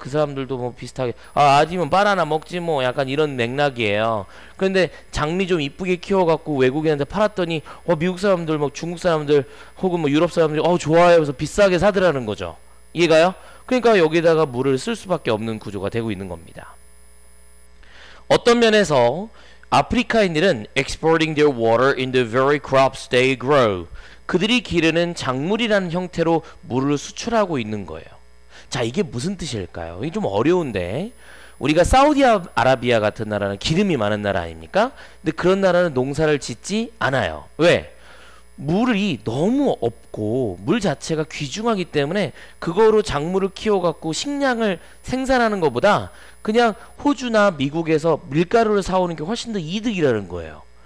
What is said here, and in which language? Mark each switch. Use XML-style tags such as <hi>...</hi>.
<ko>그 사람들도 뭐 비슷하게 아니면 바나나 먹지 뭐 약간 이런 맥락이에요. 그런데 장미 좀 이쁘게 키워갖고 외국인한테 팔았더니 미국 사람들, 뭐 중국 사람들 혹은 뭐 유럽 사람들이 좋아해 해서 비싸게 사더라는 거죠. 이해가요? 그러니까 여기다가 물을 쓸 수밖에 없는 구조가 되고 있는 겁니다. 어떤 면에서 아프리카인들은</ko> <en>exporting their water in the very crops they grow.</en> <ko>그들이 기르는 작물이라는 형태로 물을 수출하고 있는 거예요. 자, 이게 무슨 뜻일까요? 이게 좀 어려운데 우리가 사우디아라비아 같은 나라는 기름이 많은 나라 아닙니까? 근데 그런 나라는 농사를 짓지 않아요. 왜? 물이 너무 없고 물 자체가 귀중하기 때문에 그거로 작물을 키워갖고 식량을 생산하는 것보다 그냥 호주나 미국에서 밀가루를 사오는 게 훨씬 더 이득이라는 거예요.</ko>